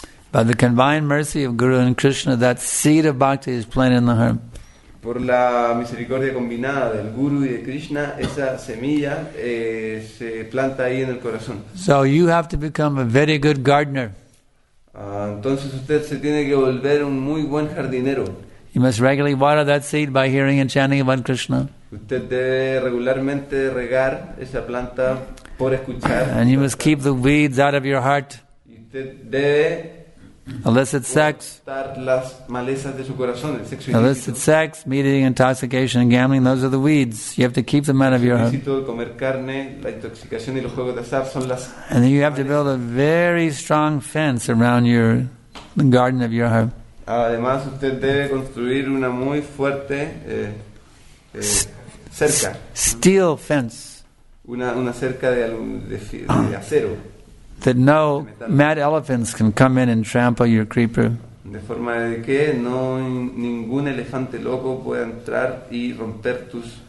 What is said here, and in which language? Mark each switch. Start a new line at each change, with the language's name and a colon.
English: By the combined mercy of Guru and Krishna, that seed of bhakti is planted in the heart.
Spanish: Por la misericordia combinada del Guru y de Krishna, esa semilla se planta ahí en el corazón.
English: So you have to become a very good gardener.
Spanish: Entonces usted se tiene que volver un muy buen jardinero.
English: You must regularly water that seed by hearing and chanting about Krishna.
Spanish: Usted debe regularmente regar esa planta por escuchar.
English: And you must keep the weeds out of your heart.
Spanish: Usted debe
English: illicit sex,
Spanish: las malezas de su corazón, el sexo
English: illicit sex, meat eating, intoxication, and gambling, those are the weeds. You have to keep them out of your heart.
Spanish: Comer carne, la intoxicación y los juegos de azar son las
English: and then you have malezas. To build a very strong fence around your the garden of your heart.
Spanish: Además, usted debe construir una muy fuerte cerca.
English: Steel fence.
Spanish: Una cerca de acero.
English: That no mad elephants can come in and trample your creeper.
Spanish: De forma de que no ningún elefante loco pueda entrar y romper tus.